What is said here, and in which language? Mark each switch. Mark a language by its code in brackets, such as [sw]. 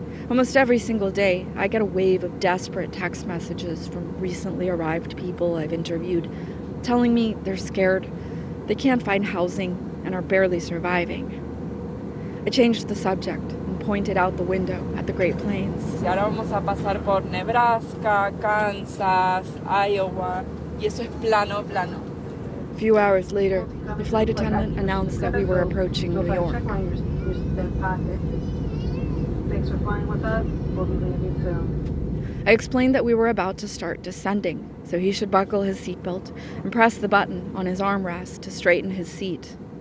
[en] Almost every single day, I get a wave of desperate text messages from recently arrived people I've interviewed, telling me they're scared, they can't find housing, and are barely surviving. I changed the subject and pointed out the window at the Great Plains. [es] Y ahora vamos a pasar por Nebraska, Kansas, Iowa, y eso es plano, plano. [en] A few hours later, the flight attendant announced that we were approaching New York. Thanks for flying with us. We'll be leaving soon. I explained that we were about to start descending, so he should buckle his seatbelt and press the button on his armrest to straighten his seat.